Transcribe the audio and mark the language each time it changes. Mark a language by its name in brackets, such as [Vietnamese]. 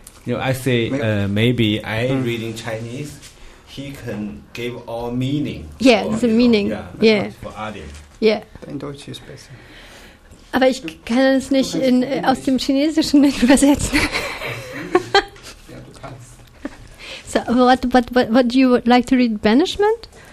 [English] You know, I say maybe I'm reading Chinese, he can give all meaning. Yeah, the meaning. Yeah. For Adi. Yeah. [German] In Deutsch ist besser. Aber ich kann es nicht aus dem Chinesischen mit übersetzen. Ja, du kannst. [English] So, what do you like to read? Banishment?